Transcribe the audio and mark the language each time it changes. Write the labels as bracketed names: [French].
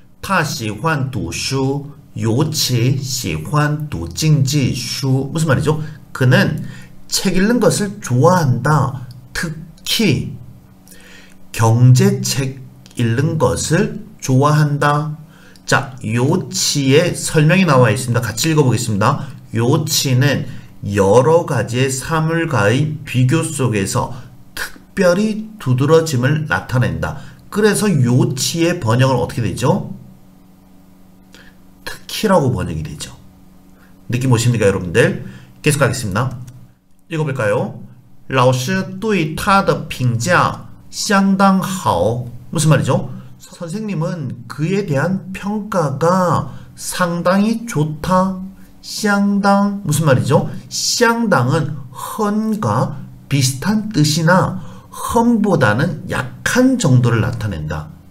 [Chinese] 他喜欢读书, 尤其喜欢读经济书. [Korean] 무슨 말이죠? 그는 책 읽는 것을 좋아한다. 특히 경제책 읽는 것을 좋아한다. 자, 요치의 설명이 나와 있습니다. 같이 읽어보겠습니다. 요치는 여러 가지의 사물과의 비교 속에서 특별히 두드러짐을 나타낸다. 그래서 요치의 번역은 어떻게 되죠? 특히라고 번역이 되죠. 느낌 오십니까, 여러분들? 계속하겠습니다. 읽어볼까요? [Chinese] 老师 对他的评价相当好. [Korean] 무슨 말이죠? 선생님은 그에 대한 평가가 상당히 좋다. 相당, 무슨 말이죠? 相당은 헌과 비슷한 뜻이나 헌보다는 약한 정도를 나타낸다.